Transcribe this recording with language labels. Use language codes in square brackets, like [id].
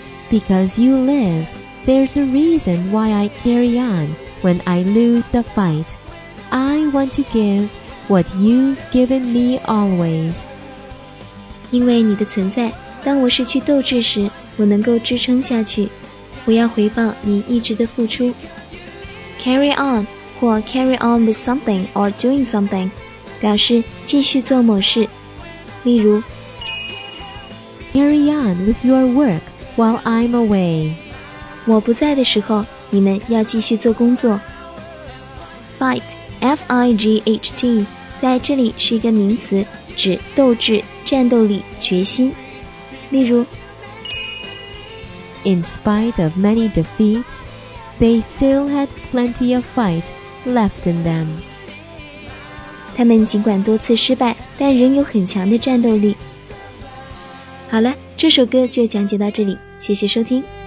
[en] Because you live, there's a reason why I carry on when I lose the fight. I want to give what you've given me always. [zh] 因为你的存在，当我失去斗志时，我能够支撑下去。我要回报你一直的付出。 [en] Carry on 或 carry on with something or doing something [zh] 表示继续做某事。例如 [en] Carry on with your work. While I'm away, [zh] 我不在的时候，你们要继续做工作。Fight, F-I-G-H-T, 在这里是一个名词，指斗志、战斗力、决心。例如 [en] ，In spite of many defeats, they still had plenty of fight left in them. [zh] 他们尽管多次失败，但仍有很强的战斗力。好了。这首歌就讲解到这里，谢谢收听。